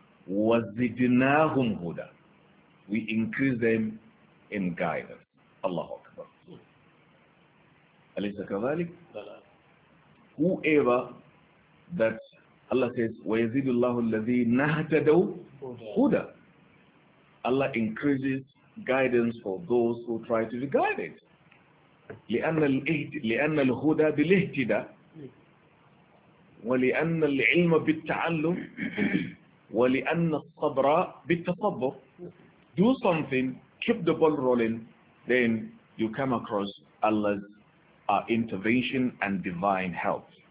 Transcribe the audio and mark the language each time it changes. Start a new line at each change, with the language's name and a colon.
Arabic: Wazidnahum huda,
English: we increase them in guidance.
Arabic: Allahu Akbar. Alaysa kadhalik?
English: Whoever that Allah says,
Arabic: wazidullahu alladhi nahtadaw huda.
English: Allah increases guidance for those who try to be guided.
Arabic: لأن الهدى بالاهتداء ولأن العلم بالتعلم ولأن الصبر بالتصبر.
English: Do something, keep the ball rolling, then you come across Allah's intervention and divine help.